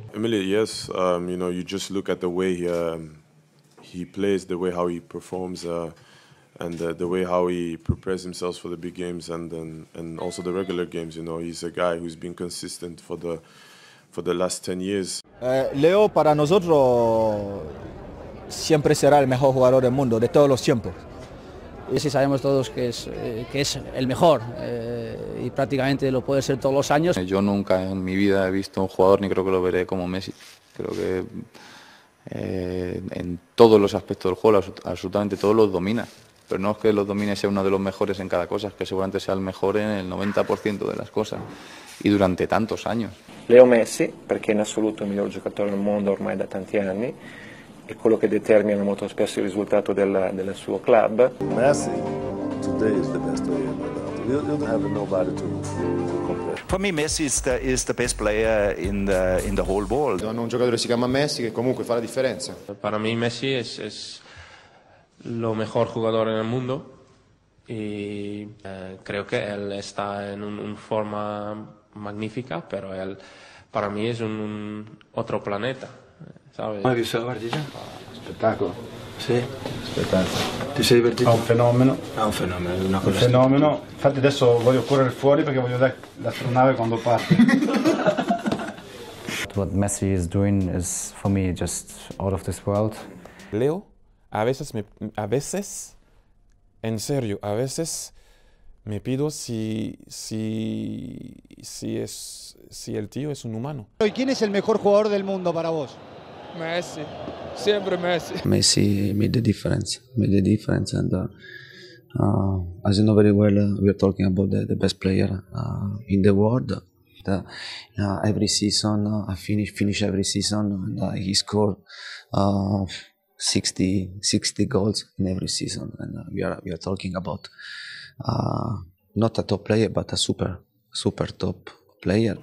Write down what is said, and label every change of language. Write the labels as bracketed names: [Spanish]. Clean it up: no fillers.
[English] Emilio, yes, you know, you just look at the way he plays, the way how he performs, and the way how he prepares himself for the big games and also the regular games. You know, he's a guy who's been consistent for the last 10 years. [Spanish] Leo, para nosotros, siempre será el mejor jugador del mundo, de todos los tiempos. Y si sabemos todos que es el mejor, y prácticamente lo puede ser todos los años. Yo nunca en mi vida he visto un jugador, ni creo que lo veré como Messi. Creo que en todos los aspectos del juego, absolutamente todos los domina. Pero no es que los domine sea uno de los mejores en cada cosa, es que seguramente sea el mejor en el 90% de las cosas y durante tantos años. [Italian] Leo Messi, [Spanish] porque en absoluto el mejor jugador del mundo [Italian] ormai da tanti anni, è quello che determina molto spesso il risultato del suo club. [English] Messi, today is the best player in the world. You don't have nobody to compare. For me, Messi is the best player in the whole world. [Italian] Hanno un giocatore che si chiama Messi che comunque fa la differenza. Per me, [Spanish] Messi es lo mejor jugador en el mundo y creo que él está en un forma magnífica, pero él para mí es un otro planeta. [Italian] Hai visto la partita? Spettacolo. Sì? Spettacolo. Ti sei divertito? È un fenomeno. Una cosa un fenomeno. Stupida. Infatti adesso voglio correre fuori perché voglio vedere l'astronave quando parte. [English] What Messi is doing is for me just out of this world. [Spanish] Leo, a veces me pido si el tío es un humano. ¿Y quién es el mejor jugador del mundo para vos? [Italian] Messi, sempre Messi. [English] Messi made the difference, and as you know very well, we are talking about the best player in the world. Every season, I finish every season, and he scored 60 goals in every season, and we are talking about not a top player, but a super top player.